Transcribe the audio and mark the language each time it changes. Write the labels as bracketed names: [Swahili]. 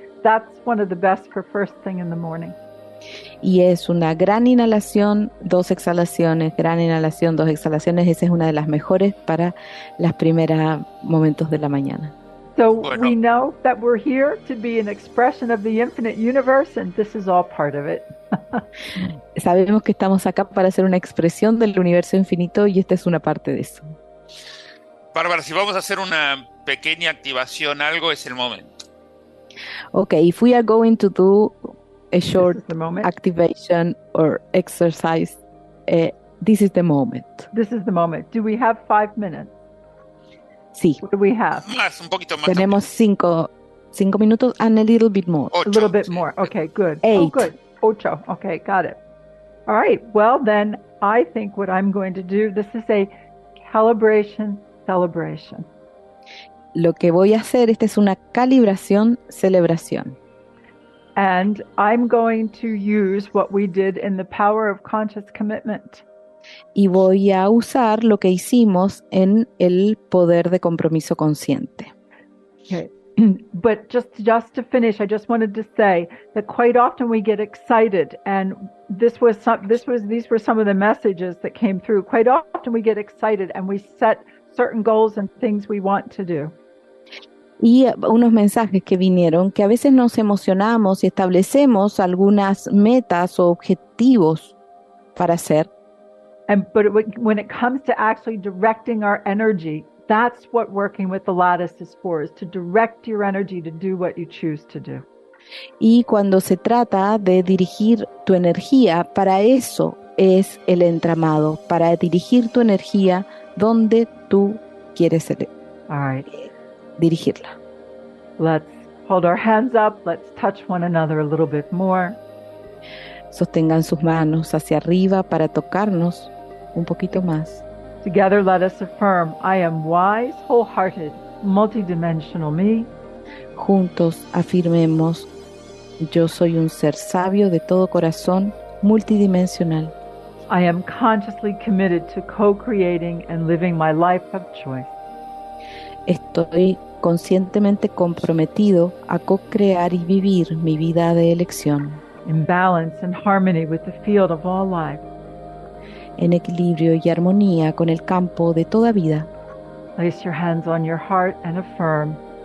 [English] That's one of the best for first thing in the morning. [Spanish] Y es una gran inhalación, dos exhalaciones, gran inhalación, dos exhalaciones. Esa es una de las mejores para los primeros momentos de la mañana. So bueno. [English] We know that we're here to be an expression of the infinite universe, and this is all part of it. [Spanish] Sabemos que estamos acá para ser una expresión del universo infinito, y esta es una parte de eso. Bárbara, si vamos a hacer una pequeña activación, algo es el momento. [English] Okay, if we are going to do a short activation or exercise, this is the moment. This is the moment. Do we have 5 minutes? [Spanish] Sí. [English] What do we have? [Spanish] Más, un poquito más. Tenemos cinco minutos [English] and a little bit more. [Spanish] Ocho. [English] A little bit more. Okay, good. Eight. Oh, good. Ocho. Okay, got it. All right. Well, then I think what I'm going to do, this is a calibration celebration. [Spanish] Lo que voy a hacer, esta es una calibración celebración. [English] And I'm going to use what we did in the power of conscious commitment. [Spanish] Y voy a usar lo que hicimos en el poder de compromiso consciente. [English] Okay. But just to finish, I just wanted to say that quite often we get excited, and these were some of the messages that came through. Quite often we get excited and we set certain goals and things we want to do. [Spanish] Y unos mensajes que vinieron, que a veces nos emocionamos y establecemos algunas metas o objetivos para hacer. [English] But when it comes to actually directing our energy, that's what working with the lattice is for, is to direct your energy to do what you choose to do. [Spanish] Y cuando se trata de dirigir tu energía, para eso es el entramado, para dirigir tu energía donde tú quieres ser. [English] All right. [Spanish] Dirigirla. [English] Let's hold our hands up. Let's touch one another a little bit more. [Spanish] Sostengan sus manos hacia arriba para tocarnos un poquito más. [English] Together, let us affirm, I am wise, wholehearted, multidimensional me. [Spanish] Juntos afirmemos, yo soy un ser sabio de todo corazón, multidimensional. [English] I am consciously committed to co-creating and living my life of choice. [Spanish] Estoy conscientemente comprometido a co-crear y vivir mi vida de elección. [English] In balance and harmony with the field of all life. [Spanish] En equilibrio y armonía con el campo de toda vida. [English] Place your hands on your heart and affirm.